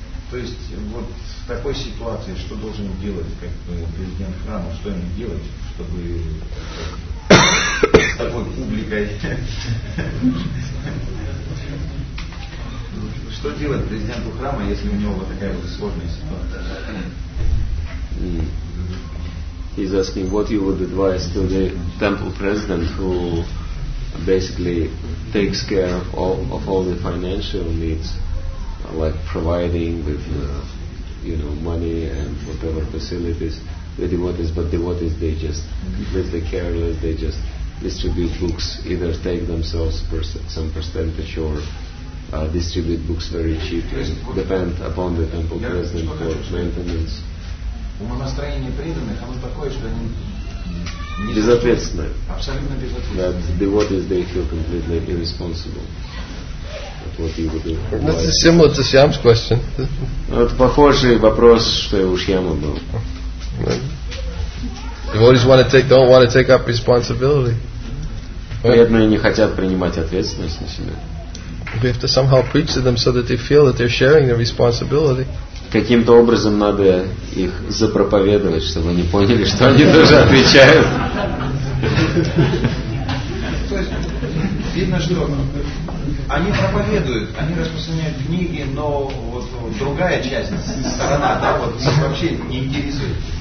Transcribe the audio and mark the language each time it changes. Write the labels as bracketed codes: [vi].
[ru] То есть, вот в такой ситуации, что должен делать как бы президент храма, что ему делать, чтобы с такой публикой... Что делать президенту храма, если у него вот такая вот сложная ситуация? [en] He's asking what you would advise to the temple president who basically takes care of all the financial needs, like providing with you know, money and whatever facilities the devotees, but devotees they just completely careless, they just distribute books, either take themselves some percentage or distribute books very cheaply, depend upon the temple president for maintenance. [ru] Умонастроение преданных, оно такое, что они безответственны. Абсолютно безответственны. [en] That devotees, they feel completely irresponsible. But what you would do? That's a similar to Shyam's question. [ru] Это похожий вопрос, что и у Шьяма был. [en] Devotees don't want to take up responsibility. [ru] Преданные не хотят принимать ответственность на себя. [en] We have to somehow preach to them so that they feel that they're sharing their responsibility. [ru] Каким-то образом надо их запроповедовать, чтобы они поняли, что они тоже отвечают. То есть видно, что они проповедуют, они распространяют книги, но вот, вот другая часть, сторона, да, вот вообще не интересует.